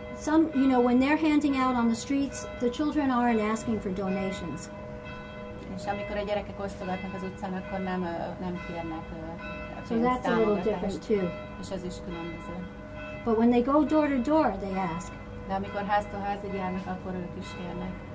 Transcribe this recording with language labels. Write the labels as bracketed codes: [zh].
[en] some, you know, when they're handing out on the streets, the children aren't asking for donations. [hu] És amikor a gyerekek osztogatnak az utcán, akkor nem, nem kérnek [en] So that's a little different too. [hu] És ez is különböző. [en] But when they go door to door, they ask. [hu] De amikor háztól házig járnak, akkor ők is kérnek.